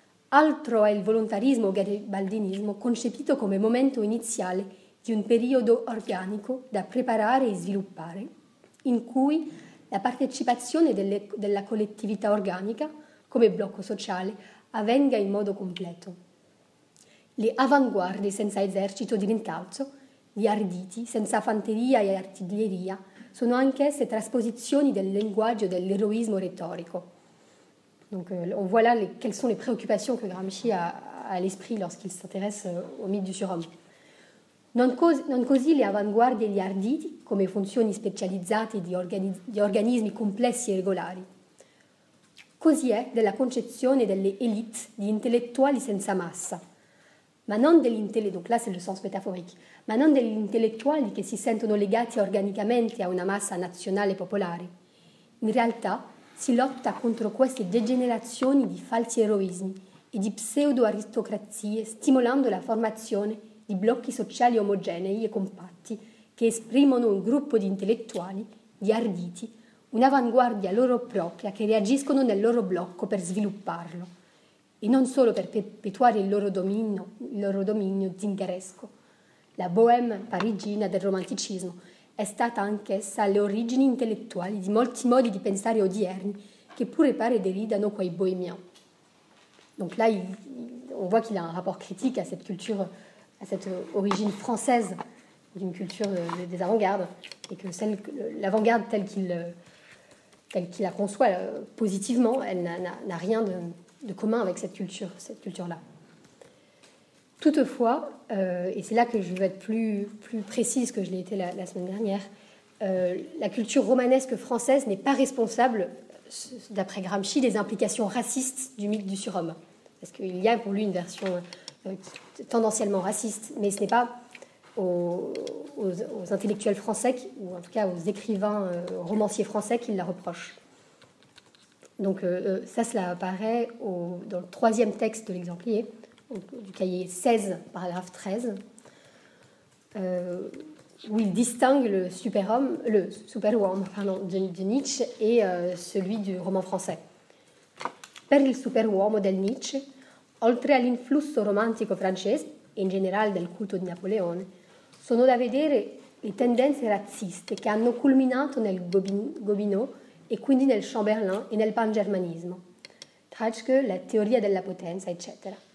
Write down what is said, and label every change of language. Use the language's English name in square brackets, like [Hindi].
[Italian] Altro è il volontarismo o garibaldinismo concepito come momento iniziale di un periodo organico da preparare e sviluppare, in cui la partecipazione della collettività organica, come blocco sociale, avvenga in modo completo. Le avanguardie senza esercito di rincalzo, gli arditi, senza fanteria e artiglieria, sono anch'esse trasposizioni del linguaggio dell'eroismo retorico. [French] Donc on voit là quelles sont les préoccupations que Gramsci a à l'esprit lorsqu'il s'intéresse au mythe du surhomme. [Italian] Non così le avanguardie e gli arditi come funzioni specializzate di organismi complessi e regolari. Così è della concezione delle élites, di intellettuali senza massa. Ma non degli intellettuali, [French] donc là c'est le sens métaphorique, [Italian] ma non degli intellettuali che si sentono legati organicamente a una massa nazionale e popolare. In realtà si lotta contro queste degenerazioni di falsi eroismi e di pseudo-aristocrazie stimolando la formazione di blocchi sociali omogenei e compatti che esprimono un gruppo di intellettuali, di arditi, un'avanguardia loro propria che reagiscono nel loro blocco per svilupparlo e non solo per perpetuare il loro dominio zingaresco. La bohème parigina del romanticismo è stata anch'essa alle origini intellettuali di molti modi di pensare odierni che pure pare deridano quei bohémiens. [French] Donc là, on voit qu'il a un rapport critique à cette culture, à cette origine française d'une culture des avant-gardes, et que l'avant-garde telle qu'il la conçoit positivement, elle n'a rien de commun avec cette culture-là. Toutefois, et c'est là que je veux être plus précise que je l'ai été la semaine dernière, la culture romanesque française n'est pas responsable, d'après Gramsci, des implications racistes du mythe du surhomme. Parce qu'il y a pour lui une version tendanciellement raciste, mais ce n'est pas aux intellectuels français, ou en tout cas aux écrivains romanciers français, qu'il la reproche. Donc cela apparaît dans le troisième texte de l'exemplier, du cahier 16, paragraphe 13, où il distingue le superuomo, de Nietzsche et celui du roman français. [Italian] Per il superuomo del Nietzsche, oltre all'influsso romantico francese e in generale del culto di Napoleone, sono da vedere le tendenze razziste che hanno culminato nel Gobineau e quindi nel Chamberlain e nel pangermanismo, Treitschke, la teoria della potenza, eccetera.